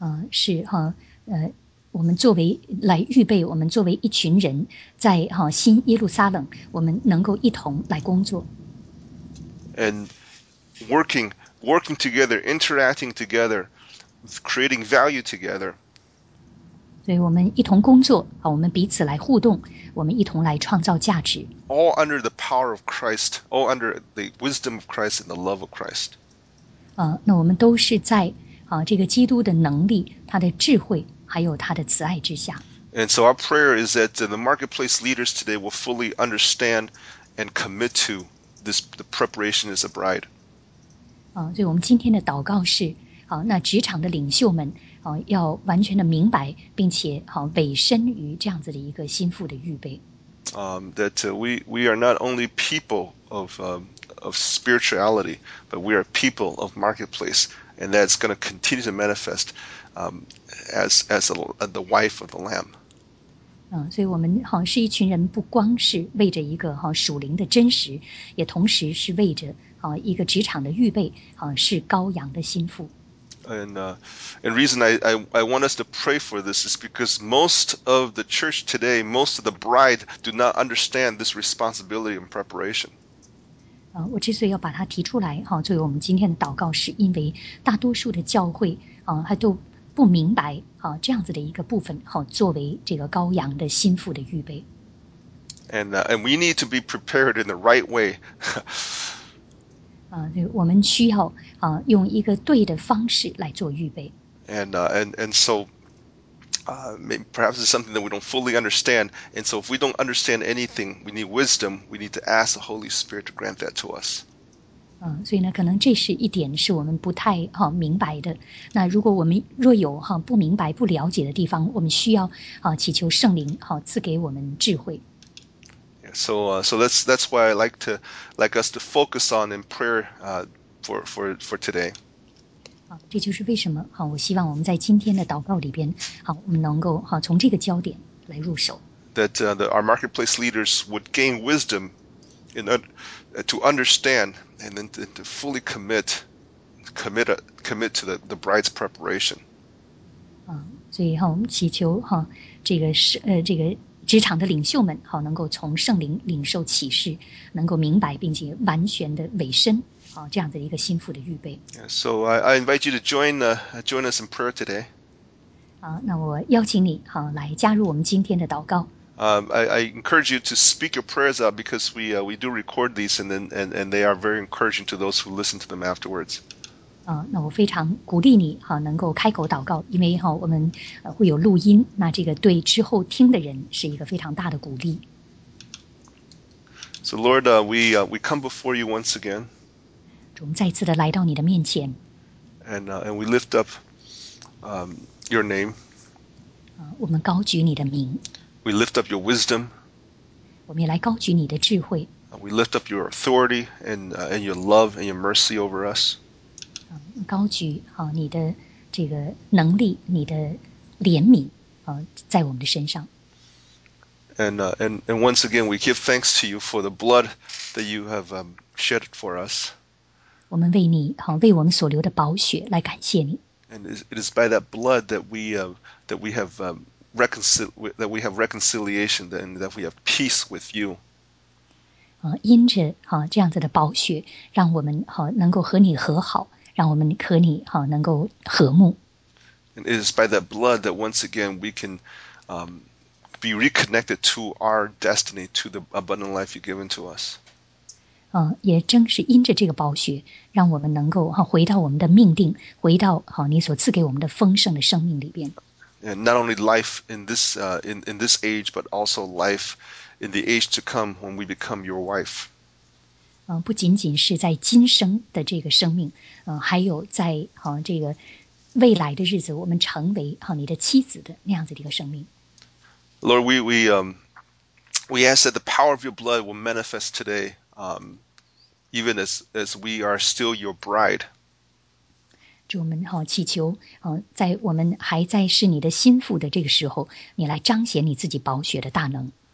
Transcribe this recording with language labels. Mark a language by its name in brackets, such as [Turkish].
[Chinese] 是我们作为来预备我们作为一群人在新耶路撒冷我们能够一同来工作。 [English] And working together, interacting together, creating value together. [Chinese] 所以我们一同工作，好，我们彼此来互动，我们一同来创造价值。 [English] All under the power of Christ, all under the wisdom of Christ and the love of Christ. [Chinese] 那我们都是在这个基督的能力，他的智慧，还有他的慈爱之下。 [English] And so our prayer is that the marketplace leaders today will fully understand and commit to this, the preparation as a bride. [Chinese] 所以我们今天的祷告是，那职场的领袖们，要完全的明白，并且委身于这样子的一个心腹的预备。 [English] That we are not only people of spirituality, but we are people of marketplace, and that's going to continue to manifest as the wife of the Lamb. [Chinese] 所以我们是一群人，不光是为着一个属灵的真实，也同时是为着一个职场的预备，是羔羊的心腹。 [English] And reason I want us to pray for this is because most of the church today, most of the bride do not understand this responsibility and preparation. [Chinese] 我之所以要把它提出来，作为我们今天的祷告，是因为大多数的教会，还都不明白，这样子的一个部分，作为这个羔羊的心腹的预备。 [English] And we need to be prepared in the right way. [Chinese] 我们需要用一个对的方式来做预备。 [English] And so, perhaps it's something that we don't fully understand. And so, if we don't understand anything, we need wisdom. We need to ask the Holy Spirit to grant that to us. [Chinese] 所以呢，可能这是一点是我们不太明白的。那如果我们若有不明白、不了解的地方，我们需要祈求圣灵赐给我们智慧。 [English] So that's why I like us to focus on in prayer for today. [Chinese] 这就是为什么我希望我们在今天的祷告里边我们能够从这个焦点来入手。 [English] That our marketplace leaders would gain wisdom in to understand and then to fully commit to the bride's preparation. [Chinese] 所以我们祈求这个职场的领袖们能够从圣灵领受启示，能够明白并且完全的委身这样的一个心腹的预备。 [English] So I invite you to join us in prayer today. [Chinese] 那我邀请你来加入我们今天的祷告。 [English] I encourage you to speak your prayers out because we do record these and they are very encouraging to those who listen to them afterwards. [Chinese] 那我非常鼓励你能够开口祷告，因为我们会有录音，那这个对之后听的人是一个非常大的鼓励。 [English] So Lord, we come before you once again. [Chinese] 我们再次的来到你的面前。 [English] And we lift up your name. [Chinese] 我们高举你的名。 [English] We lift up your wisdom. [Chinese] 我们也来高举你的智慧。 [English] We lift up your authority and your love and your mercy over us. [Chinese] 高举你的这个能力，你的怜悯在我们的身上。 [English] And once again, we give thanks to you for the blood that you have shed for us. [Chinese] 我们为你为我们所流的宝血来感谢你。 [English] And it is by that blood that we have. That we have reconciliation, and that we have peace with you. [Chinese] 因着这样子的宝血，让我们能够和你和好，让我们和你能够和睦。 [English] And it is by that blood that once again we can be reconnected to our destiny, to the abundant life you've given to us. [Chinese] 也正是因着这个宝血，让我们能够回到我们的命定，回到你所赐给我们的丰盛的生命里边。 [English] And not only life in this in this age, but also life in the age to come when we become your wife. [Chinese] 不仅仅是在今生的这个生命，还有在这个未来的日子，我们成为你的妻子的那样子的一个生命。 [English] Lord, we ask that the power of your blood will manifest today, even as we are still your bride. [Chinese] 我们祈求在我们还在是你的心腹的这个时候，你来彰显你自己宝血的大能。